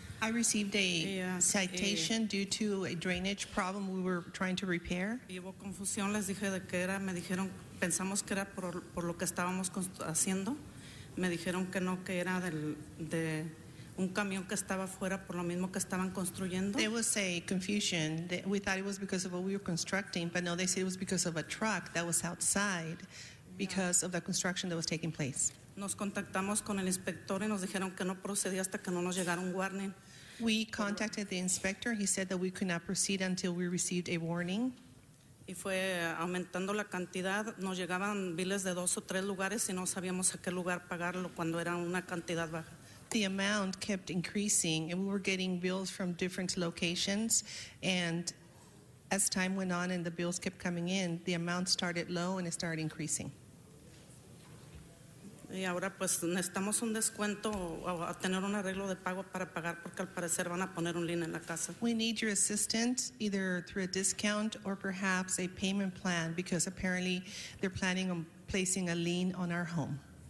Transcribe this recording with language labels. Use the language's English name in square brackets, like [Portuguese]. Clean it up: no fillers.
[English] I received a citation due to a drainage problem we were trying to repair. [Spanish] Llevo confusión, les dije de qué era, me dijeron, pensamos que era por lo que estábamos haciendo. Me dijeron que no, que era de un camión que estaba fuera por lo mismo que estaban construyendo. [English] There was a confusion. We thought it was because of what we were constructing, but no, they said it was because of a truck that was outside because of the construction that was taking place. [Spanish] Nos contactamos con el inspector y nos dijeron que no procedía hasta que no nos llegara un warning. [English] We contacted the inspector. He said that we could not proceed until we received a warning. [Spanish] Y fue aumentando la cantidad. Nos llegaban biles de dos o tres lugares y no sabíamos a qué lugar pagarlo cuando era una cantidad baja. [English] The amount kept increasing, and we were getting bills from different locations. And as time went on and the bills kept coming in, the amount started low and it started increasing. [Spanish] Y ahora pues necesitamos un descuento o a tener un arreglo de pago para pagar porque al parecer van a poner un lien en la casa. [English] We need your assistance either through a discount or perhaps a payment plan because apparently they're planning on placing a lien on our home.